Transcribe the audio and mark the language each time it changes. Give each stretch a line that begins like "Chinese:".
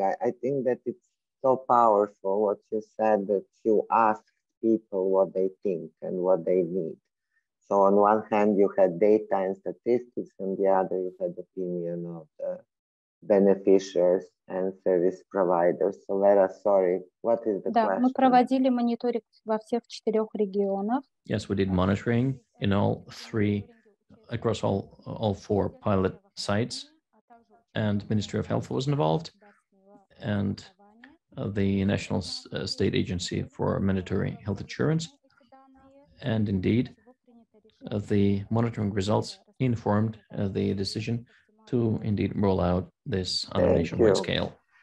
English: I think that it's so powerful what you said, that you asked people what they think and what they need. So on one hand, you had data and statistics, and the other, you had opinion of the beneficiaries and service providers. So Vera, sorry, what is the question?
Russian: Мы проводили мониторинг во всех четырех регионах.
English: Yes, we did monitoring in all three, across all four pilot sites, and Ministry of Health was involved, and the National State Agency for Mandatory Health Insurance, and indeed, the monitoring results informed the decision to indeed roll out this on a nationwide scale.